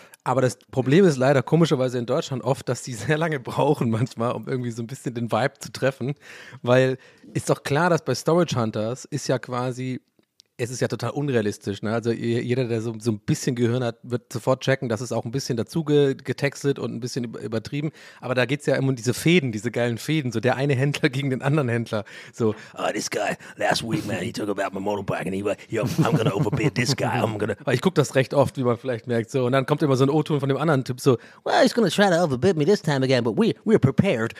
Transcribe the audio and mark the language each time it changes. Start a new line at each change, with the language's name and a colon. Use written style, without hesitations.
German: Aber das Problem ist leider komischerweise in Deutschland oft, dass die sehr lange brauchen manchmal, um irgendwie so ein bisschen den Vibe zu treffen, weil ist doch klar, dass bei Storage Hunters ist ja quasi, es ist ja total unrealistisch, ne? Also jeder, der so ein bisschen Gehirn hat, wird sofort checken, dass es auch ein bisschen dazu getextet und ein bisschen übertrieben. Aber da geht es ja immer um diese Fäden, diese geilen Fäden. So der eine Händler gegen den anderen Händler.
English: So, oh, this guy, last week, man, he took about my motorbike and he was, yo, I'm gonna overbid this guy.
German: Ich gucke das recht oft, wie man vielleicht merkt. So. Und dann kommt immer so ein O-Ton von dem anderen Typ so,
English: well, he's gonna try to overbid me this time again, but we're prepared.